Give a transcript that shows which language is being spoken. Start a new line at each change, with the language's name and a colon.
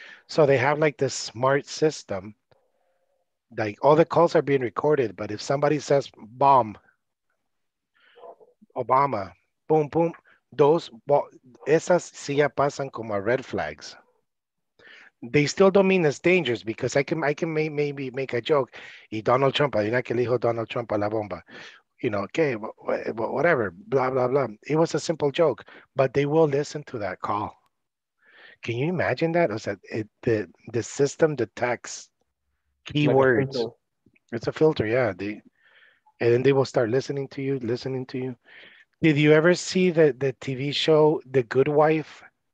English: So they have like this smart system. Like all the calls are being recorded, but if somebody says bomb, Obama, boom, boom, those,
Spanish: esas si ya pasan como
English: red flags. They still don't mean it's dangerous because I can maybe make a joke.
Spanish: Y Donald Trump, ¿y que le dijo Donald Trump a la bomba?
English: You know, okay, whatever, blah, blah, blah. It was a simple joke, but they will listen to that call. Can you imagine that? The system detects keywords. It's a filter, yeah. And then they will start listening to you. Did you ever see the TV show, The Good Wife?